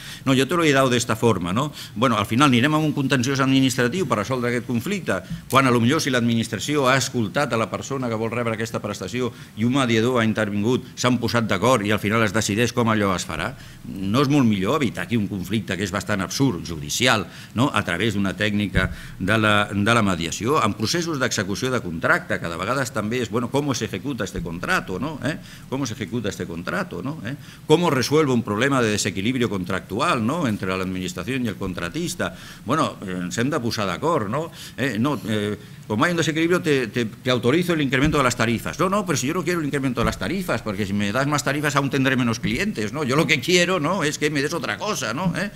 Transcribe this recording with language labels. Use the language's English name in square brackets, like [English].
[Catalan] no, jo [Spanish] te lo he dado [Catalan] d'esta forma, no?, bueno, al final anirem a un contenciós administratiu per resoldre aquest conflicte, quan potser si l'administració ha escoltat a la persona que vol rebre aquesta prestació i un mediador ha intervingut, s'han posat d'acord i al final es decideix com allò es farà. No és molt millor evitar aquí un conflicte que és bastant absurd, judicial, no? A través d'una tècnica de la mediació, amb processos d'execució de contracte, que de vegades també és, bueno, [Spanish] ¿cómo se ejecuta este contrato, no? ¿Cómo se ejecuta este contrato, no? ¿Cómo resuelve un problema de desequilibrio contractual, no? [Catalan] Entre l'administració i el contratista. Bueno, ens hem de posar d'acord, no? [Spanish] Com hay un desequilibrio, te autorizo el incremento de las tarifas. No, no, pero si yo no quiero el incremento de las tarifas, porque si me das más tarifas aún tendré menos clientes, ¿no? Yo lo que quiero, ¿no?, es que me des otra cosa, ¿no?